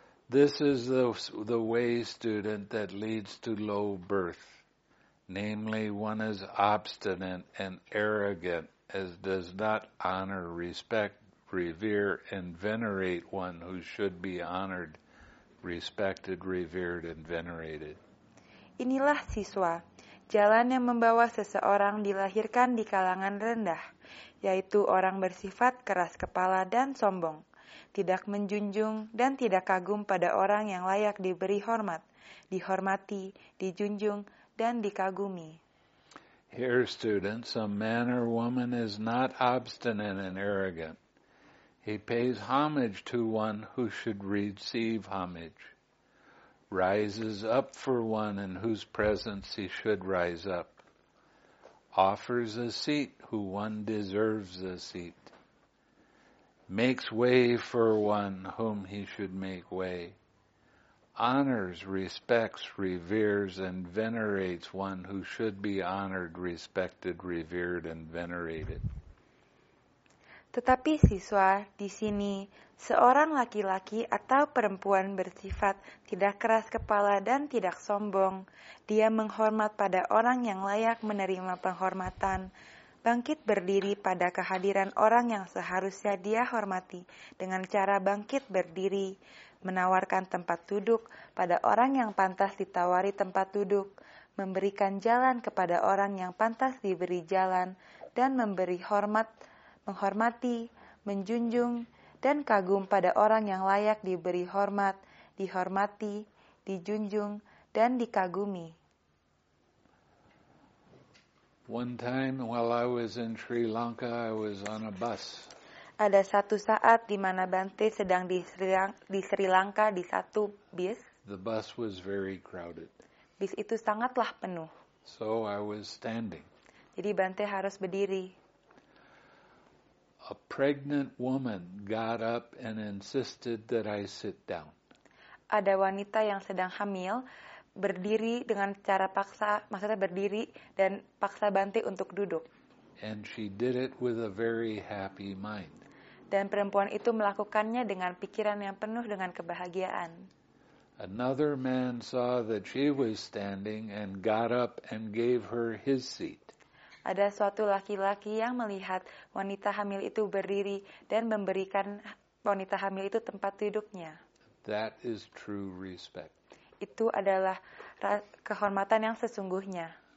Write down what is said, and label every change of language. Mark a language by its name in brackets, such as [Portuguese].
[English] This is the way, student, that leads to low birth. Namely, one is obstinate and arrogant, as does not honor, respect, revere, and venerate one who should be honored, respected, revered, and venerated. [Indonesian] Inilah, siswa, jalan yang membawa seseorang dilahirkan di kalangan rendah, yaitu orang bersifat keras kepala dan sombong, tidak menjunjung dan tidak kagum pada orang yang layak diberi hormat, dihormati, dijunjung, dan dikagumi. [English] Here, students, a man or woman is not obstinate and arrogant. He pays homage to one who should receive homage, rises up for one in whose presence he should rise up, offers a seat who one deserves a seat, makes way for one whom he should make way, honors, respects, reveres, and venerates one who should be honored, respected, revered, and venerated. [Indonesian] Tetapi siswa, di sini, seorang laki-laki atau perempuan bersifat tidak keras kepala dan tidak sombong, dia menghormat pada orang yang layak menerima penghormatan, bangkit berdiri pada kehadiran orang yang seharusnya dia hormati dengan cara bangkit berdiri, menawarkan tempat duduk pada orang yang pantas ditawari tempat duduk, memberikan jalan kepada orang yang pantas diberi jalan, dan memberi hormat, menghormati, menjunjung, dan kagum pada orang yang layak diberi hormat, dihormati, dijunjung, dan dikagumi. [English] One time while I was in Sri Lanka, I was on a bus. [Indonesian] Ada satu saat di mana Bante sedang di Sri Lanka di satu bis. [English] The bus was very crowded. [Indonesian] Bis itu sangatlah penuh. [English] So I was standing. [Indonesian] Jadi Bante harus berdiri. [English] A pregnant woman got up and insisted that I sit down. [Indonesian] Ada wanita yang sedang hamil berdiri dengan cara paksa, maksudnya berdiri dan paksa Bante untuk duduk. [English] And she did it with a very happy mind. [Indonesian] Dan perempuan itu melakukannya dengan pikiran yang penuh dengan kebahagiaan. [English] Another man saw that she was standing and got up and gave her his seat. [Indonesian] Ada suatu laki-laki yang melihat wanita hamil itu berdiri dan memberikan wanita hamil itu tempat duduknya. [English] That is true respect. [Indonesian] Itu adalah kehormatan yang sesungguhnya.